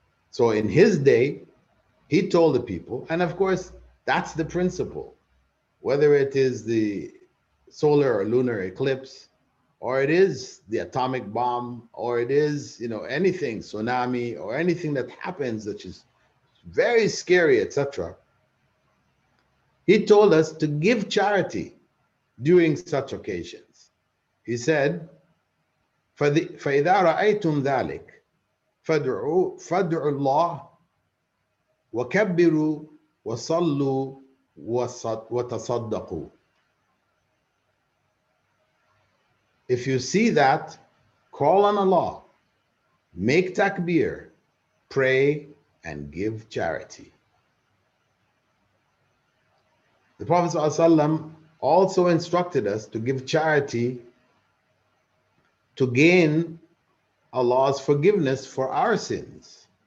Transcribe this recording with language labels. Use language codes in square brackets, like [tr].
[en] So in his day, he told the people, and of course, that's the principle, whether it is the solar or lunar eclipse, or it is the atomic bomb, or it is, you know, anything, tsunami, or anything that happens, which is very scary, etc. He told us to give charity during such occasions. He said, [ar] فَإِذَا رَأَيْتُمْ ذَلِكَ فَادْعُوا اللَّهِ وَكَبِّرُوا وَصَلُّوا وَتَصَدَّقُوا. [en] If you see that, call on Allah, make takbir, pray, and give charity. The Prophet ﷺ also instructed us to give charity to gain Allah's forgiveness for our sins.